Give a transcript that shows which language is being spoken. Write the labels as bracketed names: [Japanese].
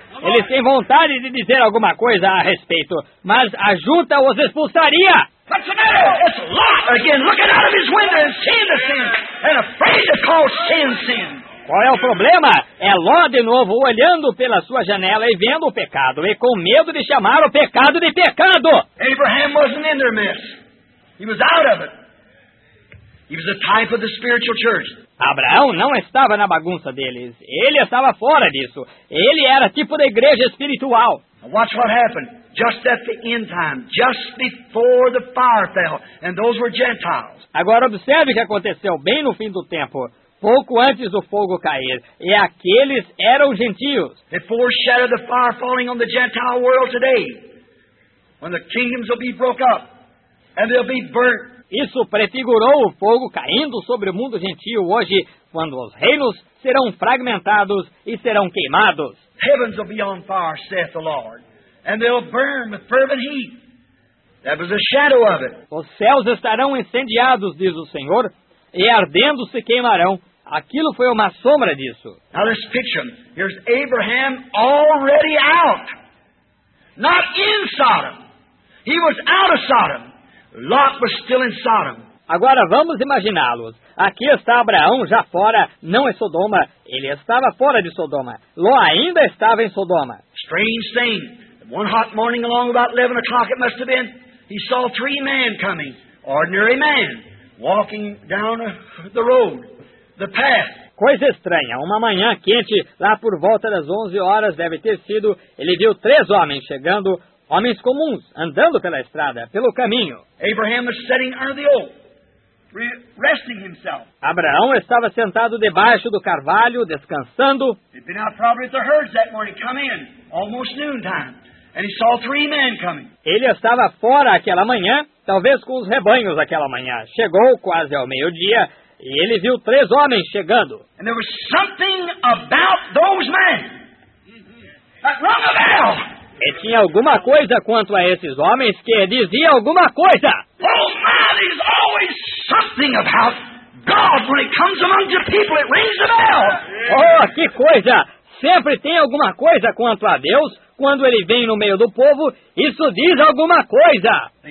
[Portuguese] Eles têm vontade de dizer alguma coisa a respeito, mas a junta os expulsaria. [English] What's the matter? It's Lot again looking out of his window and seeing the sin and afraid to call sin sin. [Portuguese] Qual é o problema? É Ló de novo olhando pela sua janela e vendo o pecado e com medo de chamar o pecado de pecado. [English] Abraham wasn't in their midst. He was out of it. He was a type of the spiritual church. [Portuguese] Abraão não estava na bagunça deles. Ele estava fora disso. Ele era tipo da igreja espiritual. [English] Watch what happened. Just at the end time, just before the fire fell, and those were Gentiles. [Portuguese] Agora observe o que aconteceu bem no fim do tempo, pouco antes do fogo cair, e aqueles eram gentios. [English] It foreshadowed the fire falling on the Gentile world today, when the kingdoms will be broke up and they'll be burnt. [Portuguese] Isso prefigurou o fogo caindo sobre o mundo gentio hoje, quando os reinos serão fragmentados e serão queimados. [English] Heavens will be on fire, saith the Lord. And they'll burn with fervent heat. That was a shadow of it. [Portuguese] Os céus estarão incendiados, diz o Senhor, e ardendo se queimarão. Aquilo foi uma sombra disso. [English] Now let's picture him. Here's Abraham already out. Not in Sodom. He was out of Sodom. Lot was still in Sodom. [Portuguese] Agora vamos imaginá-los. Aqui está Abraão já fora, não em Sodoma. Ele estava fora de Sodoma. Ló ainda estava em Sodoma. [English] Strange thing. One hot morning along about 11 o'clock it must have been, he saw three men coming, ordinary men, walking down the road, the path. [Portuguese] Coisa estranha, uma manhã quente, lá por volta das 11 horas deve ter sido, ele viu três homens chegando, homens comuns, andando pela estrada, pelo caminho. [English] Abraham was sitting under the oak, resting himself. [Portuguese] Abraão estava sentado debaixo do carvalho, descansando. [English] He'd been out probably at the herds that morning, come in, almost noontime. And he saw three men coming. [Portuguese] Ele estava fora aquela manhã, talvez com os rebanhos aquela manhã. Chegou quase ao meio-dia e ele viu três homens chegando. [English] And there was something about those men. Rung a bell! [Portuguese] E tinha alguma coisa quanto a esses homens que dizia alguma coisa. [English] Oh, man, there's always something about God when it comes among the people. It rings a bell! [Portuguese] Oh, que coisa! Sempre tem alguma coisa quanto a Deus. Quando ele vem no meio do povo, isso diz alguma coisa.